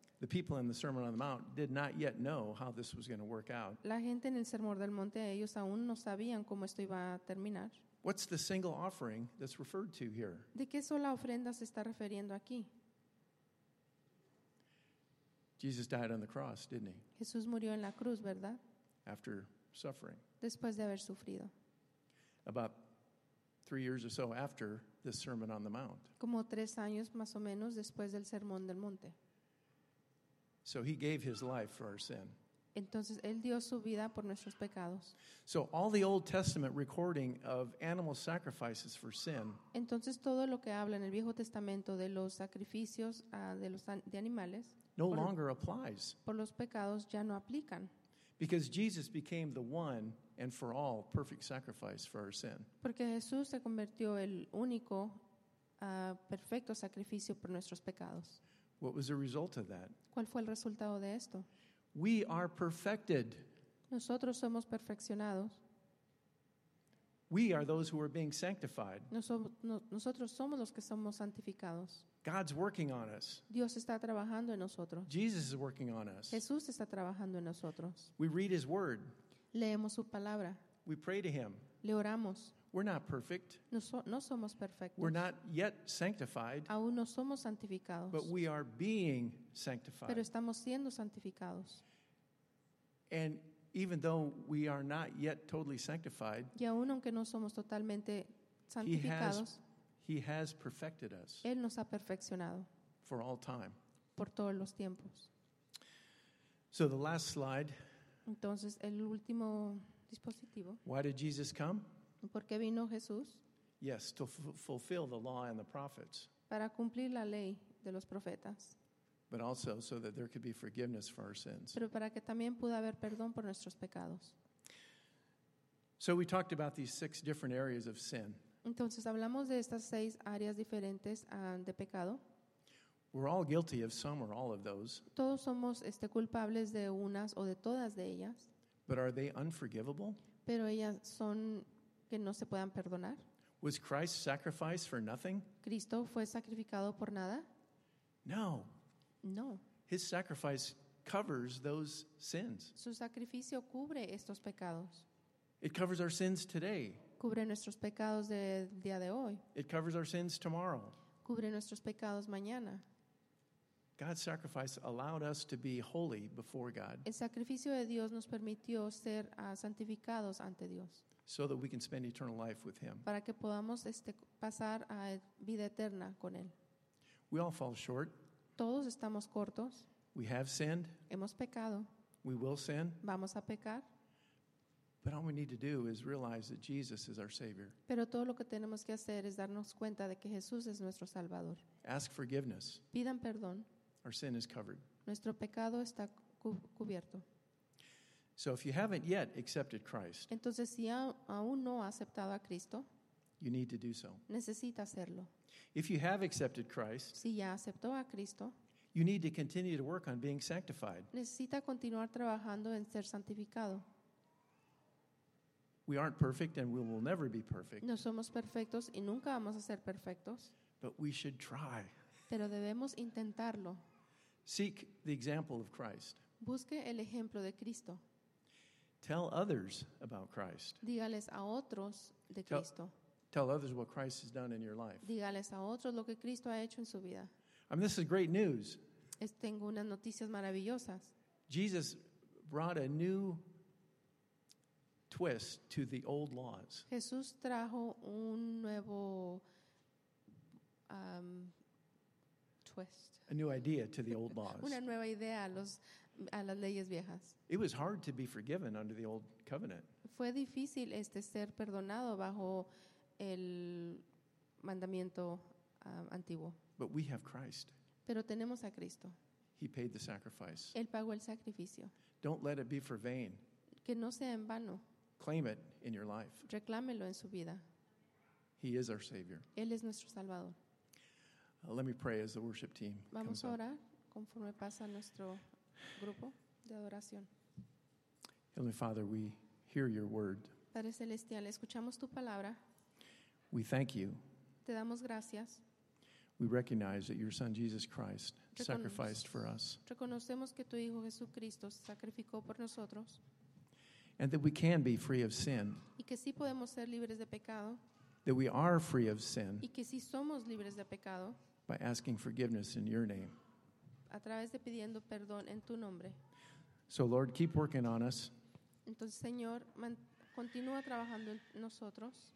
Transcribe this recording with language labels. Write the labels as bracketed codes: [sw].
[en] the people in the Sermon on the Mount did not yet know how this was going to work out. [es] La gente en el Sermón del Monte, ellos aún no sabían cómo esto iba a terminar. [en] What's the single offering that's referred to here? [es] ¿De qué sola ofrenda se está refiriendo aquí? [en] Jesus died on the cross, didn't he? [es] Jesús murió en la cruz, ¿verdad? [en] After suffering. [es] Después de haber sufrido. [en] About 3 years or so after the Sermon on the Mount. [es] Como 3 años más o menos después del Sermón del Monte. [en] So he gave his life for our sin. [es] Entonces él dio su vida por nuestros pecados. [en] So all the Old Testament recording of animal sacrifices for sin. [es] Entonces todo lo que habla en el Viejo Testamento de los sacrificios de animales [en] no longer applies. [es] Por los pecados ya no aplican. [en] Because Jesus became the one and for all perfect sacrifice for our sin. [es] Porque Jesús se convirtió el único perfecto sacrificio por nuestros pecados. [en] What was the result of that? [es] ¿Cuál fue el resultado de esto? [en] We are perfected. [es] Nosotros somos perfeccionados. [en] We are those who are being sanctified. [es] Nosotros somos los que somos santificados. [en] God's working on us. [es] Dios está trabajando en nosotros. [en] Jesus is working on us. [es] Jesús está trabajando en nosotros. [en] We read his word. [es] Leemos su palabra. [en] We pray to him. [es] Le oramos. [en] We're not perfect. [es] No somos perfectos. [en] We're not yet sanctified. [es] Aún no somos santificados. [en] But we are being sanctified. [es] Pero estamos siendo santificados. [en] And even though we are not yet totally sanctified, [es] y aún aunque no somos totalmente santificados, [en] he has perfected us. [es] Él nos ha perfeccionado. [en] For all time. [es] Por todos los tiempos. [en] So the last slide. [es] Entonces el último dispositivo. [en] Why did Jesus come? [es] ¿Por qué vino Jesús? [en] Yes, to fulfill the law and the prophets. [es] Para cumplir la ley de los profetas. [en] But also so that there could be forgiveness for our sins. [es] Pero para que también pueda haber perdón por nuestros pecados. [en] So we talked about these six different areas of sin. [es] Entonces hablamos de estas seis áreas diferentes de pecado. [en] We're all guilty of some or all of those. [es] Todos somos culpables de unas o de todas de ellas. [en] But are they unforgivable? [es] Pero ellas son que no se puedan perdonar. [en] Was Christ sacrificed for nothing? [es] ¿Cristo fue sacrificado por nada? [en] No. [es] No. [en] His sacrifice covers those sins. [es] Su sacrificio cubre estos pecados. [en] It covers our sins today. [es] Cubre nuestros pecados del día de hoy. [en] It covers our sins tomorrow. [es] Cubre nuestros pecados mañana. [en] God's sacrifice allowed us to be holy before God. [es] El sacrificio de Dios nos permitió ser santificados ante Dios. [en] So that we can spend eternal life with him. [es] Para que podamos pasar a vida eterna con él. [en] We all fall short. [es] Todos estamos cortos. [en] We have sinned. [es] Hemos pecado. [en] We will sin. [es] Vamos a pecar. [en] But all we need to do is realize that Jesus is our Savior. [es] Pero todo lo que tenemos que hacer es darnos cuenta de que Jesús es nuestro Salvador. [en] Ask forgiveness. [es] Pidan perdón. [en] Our sin is covered. [es] Nuestro pecado está cubierto. [en] So if you haven't yet accepted Christ, [es] entonces, si aún no ha aceptado a Cristo, [en] you need to do so. [es] Necesita hacerlo. [en] If you have accepted Christ, [es] si ya aceptó a Cristo, [en] you need to continue to work on being sanctified. [es] Necesita continuar trabajando en ser santificado. [en] We aren't perfect and we will never be perfect. [es] No somos perfectos y nunca vamos a ser perfectos. [en] But we should try. [es] Pero debemos intentarlo. [en] Seek the example of Christ. [es] Busque el ejemplo de Cristo. [en] Tell others about Christ. [es] Dígales a otros de Cristo. [en] Tell others what Christ has done in your life. [es] Dígales a otros lo que Cristo ha hecho en su vida. [en] I mean, this is great news. [es] Tengo unas noticias maravillosas. [en] Jesus brought a new twist to the old laws. [es] Jesús trajo un nuevo twist. [en] A new idea to the old laws. [es] Una nueva idea a las leyes viejas. [en] It was hard to be forgiven under the old covenant. [es] Fue difícil ser perdonado bajo el mandamiento antiguo. [en] But we have Christ. [es] Pero tenemos a Cristo. [en] He paid the sacrifice. [es] Él pagó el sacrificio. [en] Don't let it be for vain. [es] Que no sea en vano. [en] Claim it in your life. [es] Reclámelo en su vida. [en] He is our Savior. [es] Él es nuestro Salvador. [en] Let me pray as the worship team comes up. [es] Vamos a orar conforme pasa nuestro grupo de adoración. [en] Heavenly Father, we hear your word. [es] Padre celestial, escuchamos tu palabra. [en] We thank you. [es] Te damos gracias. [en] We recognize that your son Jesus Christ sacrificed for us. [es] Reconocemos que tu hijo Jesucristo sacrificó por nosotros. [en] And that we can be free of sin. [es] Y que sí podemos ser libres de pecado. [en] That we are free of sin. [es] Y que sí somos libres de pecado. [en] By asking forgiveness in your name. [es] A través de pidiendo perdón en tu nombre. [en] So Lord, keep working on us. [es] Entonces, Señor, continúa trabajando en nosotros.